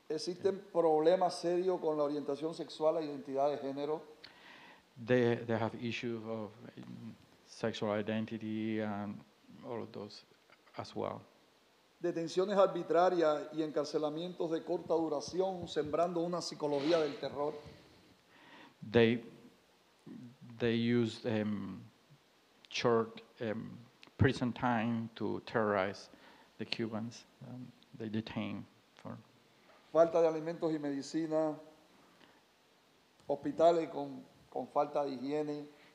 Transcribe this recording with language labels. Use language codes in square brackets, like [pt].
[es] Existen problemas serios con la orientación sexual e identidad de género. [en] They have issues of sexual identity and all of those as well. [es] detenciones arbitrarias y encarcelamientos de corta duración, sembrando una psicología del terror. [en] They used short prison time to terrorize the Cubans. They detained for. [es] Falta de alimentos y medicina, hospitales con falta de higiene.